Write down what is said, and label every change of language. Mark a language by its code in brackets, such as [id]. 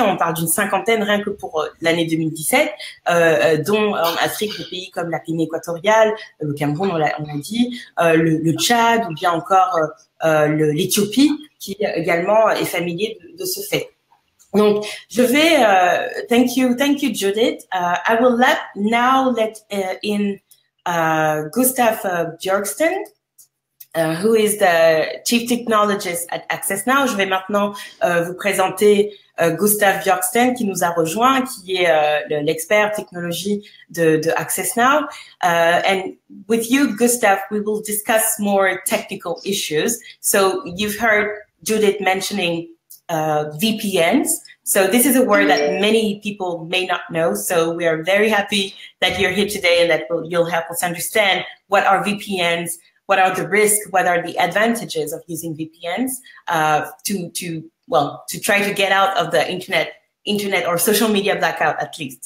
[fr] On parle d'une cinquantaine rien que pour l'année 2017, dont en Afrique, des pays comme la Guinée équatoriale, le Cameroun, on l'a dit, le Tchad ou bien encore l'Éthiopie, qui également est familier de ce fait. Donc, je vais, [en] thank you, [fr] Judith. [en] I will let in Gustav Bjergsten, who is the chief technologist at Access Now. [fr] Je vais maintenant vous présenter Gustav Bjergsten, qui nous a rejoint, qui est l'expert technologie de Access Now. [en] And with you, Gustav, we will discuss more technical issues. So you've heard Judith mentioning VPNs. So this is a word that many people may not know. So we are very happy that you're here today and that you'll help us understand what are VPNs, what are the risks, what are the advantages of using VPNs to try to get out of the internet or social media blackout at least.